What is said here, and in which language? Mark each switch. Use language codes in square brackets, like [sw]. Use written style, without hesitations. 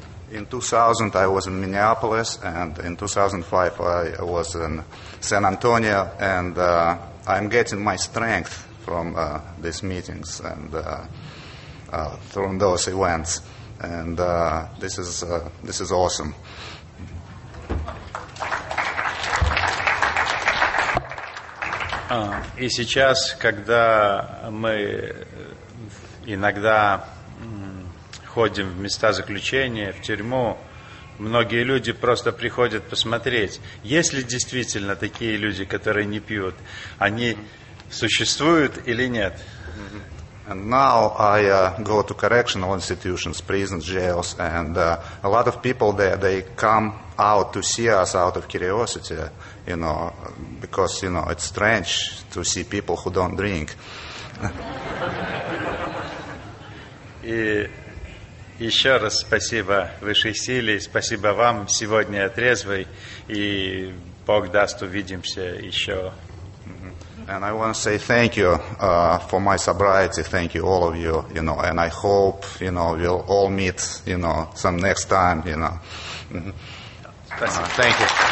[en] In 2000 I was in Minneapolis, and in 2005 I was in San Antonio, and I'm getting my strength from these meetings and from those events, and this is awesome. [ru] И сейчас, когда мы иногда ходим в места заключения, в тюрьму, многие люди просто приходят посмотреть, есть ли действительно такие люди, которые не пьют, они существуют или нет. [en] And now I go to correctional institutions, prisons, jails, and a lot of people there, they come out to see us out of curiosity, you know, because, you know, it's strange to see people who don't drink. [ru] И еще раз спасибо высшей силе, спасибо вам, сегодня я трезвый, и Бог даст, увидимся еще. [en] And I want to say thank you for my sobriety. Thank you, all of you. You know, and I hope, you know, we'll all meet, you know, some next time, you know. Thank you.